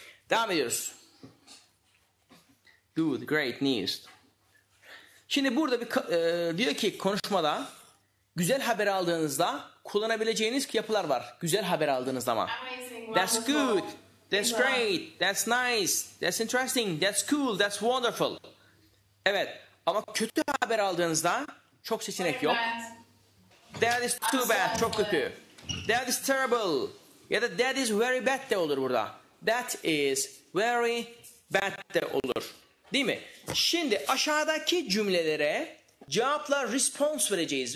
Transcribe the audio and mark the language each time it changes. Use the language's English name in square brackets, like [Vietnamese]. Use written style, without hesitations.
[Turkish] Devam ediyoruz. [English] Good, great news. [Turkish] Şimdi burada bir diyor ki konuşmada güzel haber aldığınızda kullanabileceğiniz yapılar var. Güzel haber aldığınızda ama. [English] That's good. That's great, that's nice, that's interesting, that's cool, that's wonderful. [Turkish] Evet, ama kötü haber aldığınızda çok seçenek yok. [English] That is too bad, [Turkish] çok kötü. [English] That is terrible. [Turkish] Ya da [English] that is very bad [Turkish] de olur burada. [English] That is very bad [Turkish] de olur. Değil mi? Şimdi aşağıdaki cümlelere cevaplar response vereceğiz.